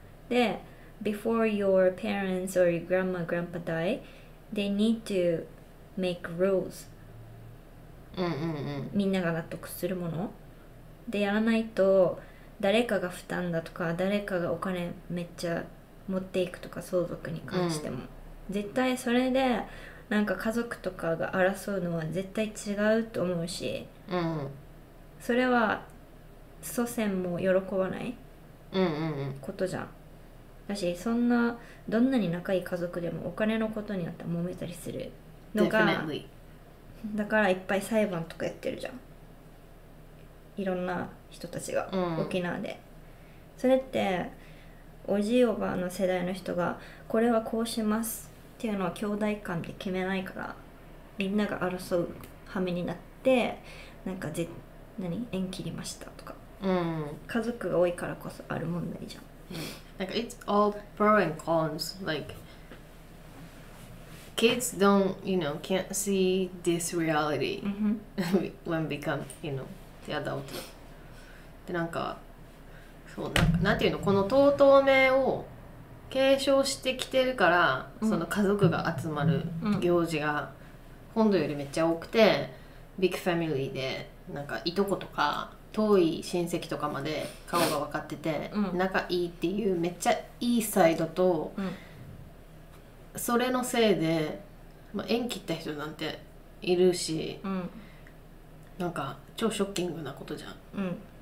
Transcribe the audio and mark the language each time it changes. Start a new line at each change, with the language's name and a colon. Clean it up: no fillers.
English: That before your parents or your grandma, grandpa die, they need to make rules.
Japanese: みんなが納得するもの。でやらないと誰かが負担だとか誰かがお金めっちゃ持っていくとか相続に関しても、絶対それでなんか家族とかが争うのは絶対違うと思うし、それは祖先も喜ばないことじゃん、うんうんうん、だしそんなどんなに仲いい家族でもお金のことになったら揉めたりするのが、だからいっぱい裁判とかやってるじゃん、いろんな人たちが、うん、沖縄で。それっておじいおばあの世代の人がこれはこうしますっていうのは兄弟間で決めないから、みんなが争う羽目になって、なんか何縁切りましたとか、うん、家族が多いからこそある問題じゃん。なんか
English: it's all pro and cons. Like kids don't, you know, can't see this reality、 mm-hmm. when become, you know, the adult.
Japanese: でなんかそう、なんていうの、この尊名を継承してきてるから、うん、その家族が集まる行事が本土よりめっちゃ多くて、うん、ビッグファミリーでなんかいとことか遠い親戚とかまで顔が分かってて仲いいっていうめっちゃいいサイドと、それのせいで縁切った人なんているし、なんか超ショッキングなことじゃん。